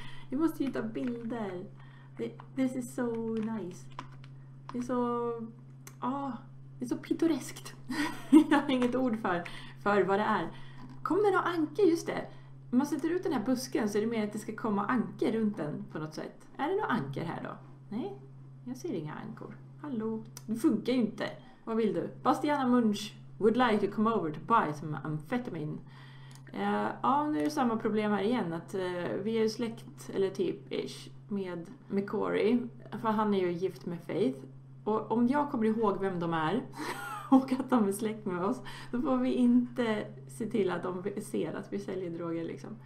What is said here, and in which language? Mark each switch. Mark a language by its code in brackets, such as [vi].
[sv] Vi måste ju ta bilder. [en] This is so nice. [sv] Det är så... Ah, det är så pittoreskt. Jag har inget ord för vad det är. Kom det några ankor? Just det. Om man sätter ut den här busken så är det mer att det ska komma ankor runt den på något sätt. Är det några ankor här då? Nej, jag ser inga ankor. Hallå? Det funkar ju inte. Vad vill du? [en] Bastiana Munch would like to come over to buy some amfetamin. [sv] Ja, nu är det samma problem här igen. Att vi är ju släkt, eller typ ish, med Corey. För han är ju gift med Faith. Och om jag kommer ihåg vem de är och att de är släkt med oss, då får vi inte se till att de ser att vi säljer droger liksom.